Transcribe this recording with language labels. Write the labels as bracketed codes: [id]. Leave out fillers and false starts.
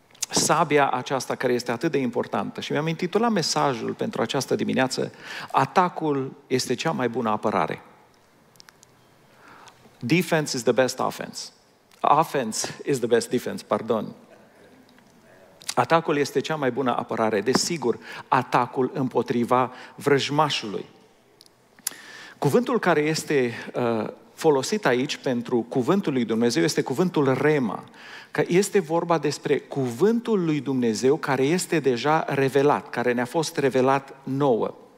[ro] Sabia aceasta care este atât de importantă. Și mi-am intitulat mesajul pentru această dimineață: atacul este cea mai bună apărare. [en] Defense is the best offense. Offense is the best defense, pardon. [ro] Atacul este cea mai bună apărare. Desigur, atacul împotriva vrăjmașului. Cuvântul care este folosit aici pentru cuvântul lui Dumnezeu este cuvântul rema. Că este vorba despre cuvântul lui Dumnezeu care este deja revelat, care ne-a fost revelat nouă.